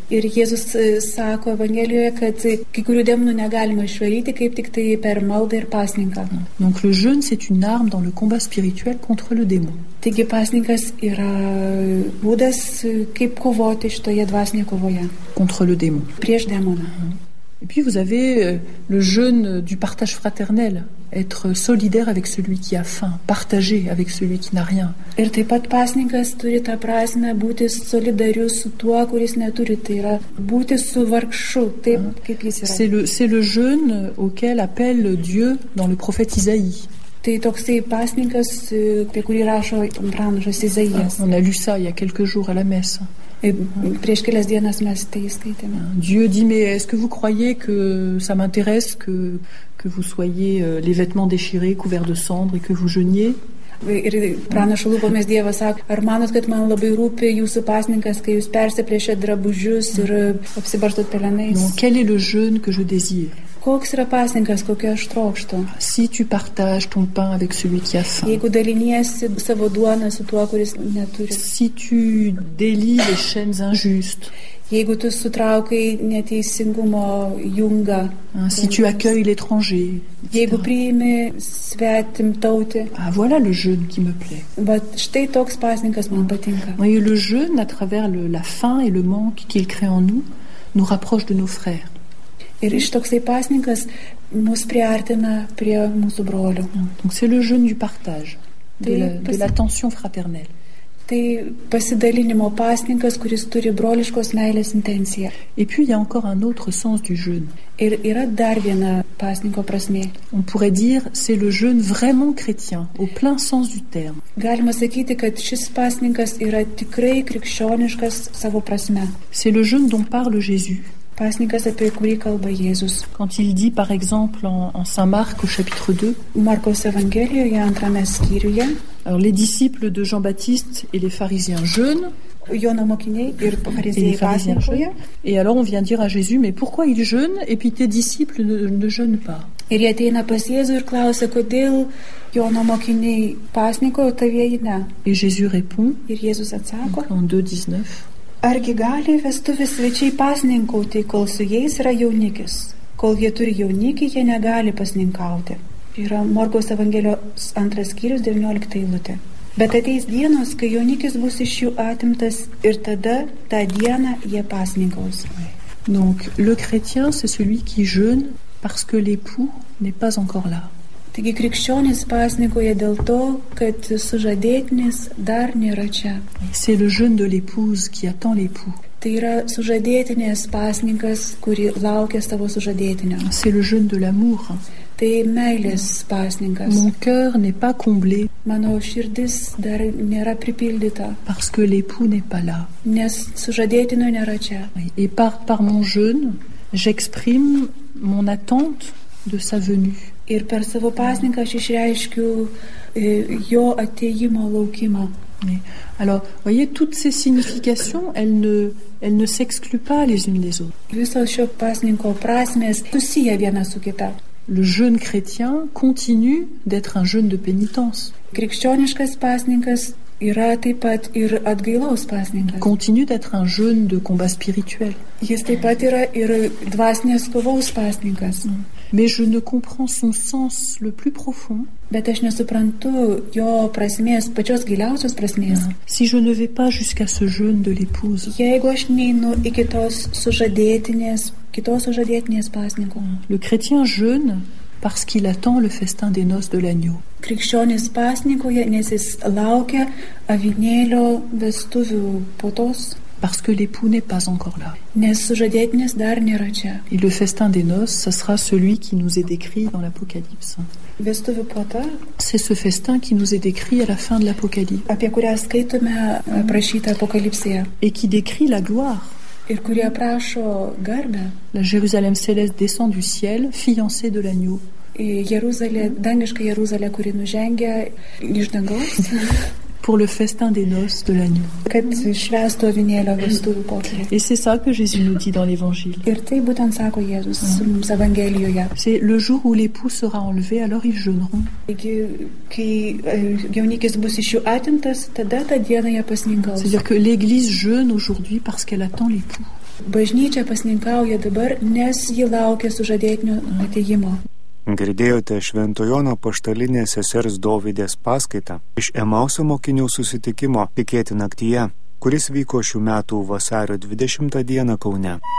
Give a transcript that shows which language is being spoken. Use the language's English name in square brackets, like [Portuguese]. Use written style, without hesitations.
[Lithuanian] Ir Jėzus sako evangelijoje, kad kai kurių demonų negalima išvaryti, kaip tik tai per maldą ir pasninką. [French] Donc le jeûne, c'est une arme dans le combat spirituel contre le démon. [Lithuanian] Taigi pasninkas yra būdas, kaip kovoti šitoje dvasinėje kovoje. [French] Contre le démon. [Lithuanian] Prieš demoną. [French] Et puis vous avez le jeûne du partage fraternel, être solidaire avec celui qui a faim, partager avec celui qui n'a rien. [Lithuanian] Ir taip pat pasninkas turi tą prasmę būti solidariu su tuo, kuris neturi, tai yra būti su vargšu, taip kaip jis yra. [French] C'est le jeûne auquel appelle Dieu dans le prophète Isaïe. [Lithuanian] Tai toksai pasninkas, apie kurį rašo pranašas Izaijas. [French] On a lu ça il y a quelques jours à la messe. [Lithuanian] Et prieš kelias dienas mes tai skaitėme. [French] Dieu dit, mais est-ce que vous croyez que ça m'intéresse que vous soyez les vêtements déchirés, couverts de cendres et que vous jeûniez? [Lithuanian] Ir pranašo lūpomis Dievas sako, ar manot, kad man labai rūpi jūsų pasninkas, kai jūs persiplėšėt drabužius ir apsibarstot pelenais? [French] Non, quel est le jeûne que je désire? [Lithuanian] Koks yra pasninkas, kokio aš trokštu? [French] Si tu partages ton pain avec celui qui a faim. [Lithuanian] Jeigu daliniesi savo duoną su tuo, kuris neturi. [French] Si tu délies les chaînes injustes. [Lithuanian] Jeigu tu sutraukai neteisingumo jungą. [French] Si tu accueilles l'étranger. [Lithuanian] Jeigu priimi svetimtautį. [French] Ah, voilà le jeûne qui me plaît. [Lithuanian] Bet štai toks pasninkas man patinka. [French] Voyez le jeûne à travers la faim et le manque qu'il crée en nous rapproche de nos frères. [Lithuanian] Ir iš toksai pasninkas mus priartina prie mūsų brolių. [French] Donc c'est le jeûne du partage, de l'attention fraternelle. [Lithuanian] Tai pasidalinimo pasninkas, kuris turi broliškos meilės intenciją. [French] Et puis il y a encore un autre sens du jeûne. [Lithuanian] Ir yra dar viena pasninko prasmė. [French] On pourrait dire c'est le jeûne vraiment chrétien, au plein sens du terme. [Lithuanian] Galima sakyti, kad šis pasninkas yra tikrai krikščioniškas savo prasme. [French] C'est le jeûne dont parle Jésus. [Lithuanian] Pasninkas, apie kurį kalba Jėzus. [French] Quand il dit, par exemple, en Saint Marc, au chapitre 2, [Lithuanian] Markos evangelijoje, antrame skyriuje, [French] alors les disciples de Jean-Baptiste et les pharisiens jeûnent, [Lithuanian] Jono mokiniai ir pharisiens pasninkoje. [French] Et alors on vient dire à Jésus, mais pourquoi ils jeûnent et puis tes disciples ne jeûnent pas? [Lithuanian] Ir jie ateina pas Jėzų ir klausia, kodėl Jono mokiniai pasninkoje, tavieji ne? [French] Et Jésus répond, [Lithuanian] ir Jėzus atsako, [French] en 2:19, [Lithuanian] argi gali vestuvės svečiai pasninkauti, kol su jais yra jaunikis? Kol jie turi jaunikį, jie negali pasninkauti. Yra Morgaus evangelijos antras skyrius, 19 eilutė. Bet ateis dienos, kai jaunikis bus iš jų atimtas, ir tada tą dieną jie pasninkaus. [French] Donc, le chrétien, c'est celui qui jeûne parce que l'époux n'est pas encore là. [Lithuanian] Taigi krikščionis pasninkoja dėl to, kad sužadėtinis dar nėra čia. [French] C'est le jeûne de l'épouse qui attend l'époux. [Lithuanian] Tai yra sužadėtinės pasninkas, kuri laukia savo sužadėtinio. [French] C'est le jeûne de l'amour. [Lithuanian] Tai meilės pasninkas. [French] Mon cœur n'est pas comblé. [Lithuanian] Mano širdis dar nėra pripildyta. [French] Parce que l'époux n'est pas là. [Lithuanian] Nes sužadėtinio nėra čia. [French] Et par mon jeûne, j'exprime mon attente de sa venue. [Lithuanian] Ir per savo pasninką aš išreiškiu jo atėjimo laukimą. [French] Mais, alors, voyez, toutes ces significations, elles ne s'excluent pas les unes des autres. [Lithuanian] Visos šio pasninko prasmės susiję viena su kita. [French] Le jeûne chrétien continue d'être un jeûne de pénitence. [Lithuanian] Krikščioniškas pasninkas yra taip pat ir atgailaus pasninkas. [French] Continue d'être un jeûne de combat spirituel. [Lithuanian] Jis taip pat yra ir dvasinės kovos pasninkas. [French] Mais je ne comprends son sens le plus profond. [Lithuanian] Bet aš nesuprantu jo prasmės, pačios giliausios prasmės. [French] Si je ne vais pas jusqu'à ce jeûne de l'épouse. [Lithuanian] Jeigu aš neinu iki tos sužadėtinės, kitos sužadėtinės pasninko. [French] Le chrétien jeûne parce qu'il attend le festin des noces de l'agneau. [Lithuanian] Krikščionis pasninkoja, nes jis laukia avinėlio vestuvių puotos. [French] Parce que l'époux n'est pas encore là. [Lithuanian] Nes sužadėtinės dar nėra čia. [French] Et le festin des noces, ce sera celui qui nous est décrit dans l'Apocalypse. [Lithuanian] Vestuvių puota. [French] C'est ce festin qui nous est décrit à la fin de l'Apocalypse. [Lithuanian] Apie kurią skaitome aprašyta Apokalipsėje. [French] Et qui décrit la gloire. [Lithuanian] Ir kuri aprašo garbę. [French] La Jérusalem céleste descend du ciel, fiancée de l'agneau. [Lithuanian] Et Jeruzalė, dangiška Jeruzalė, kuri nužengia iš dangaus. [French] Pour le festin des noces de l'agneau. [Lithuanian] Kad švęstų avinėlio vestuvių puotą. [French] Et c'est ça que Jésus nous dit dans l'évangile. [Lithuanian] Ir tai būtent sako Jėzus evangelijoje. [French] C'est le jour où l'époux sera enlevé, alors ils jeûneront. [Lithuanian] Kai jaunikis bus iš jų atimtas, tada tą dieną jie pasninkaus. [French] C'est-à-dire que l'église jeûne aujourd'hui parce qu'elle attend l'époux. [Lithuanian] Bažnyčia pasninkauja dabar, nes ji laukia sužadėtinio atėjimo. Girdėjote Švento Jono apaštalinės sesers Dovydės paskaitą iš Emauso mokinių susitikimo Tikėti naktyje, kuris vyko šių metų vasario 20 dieną Kaune.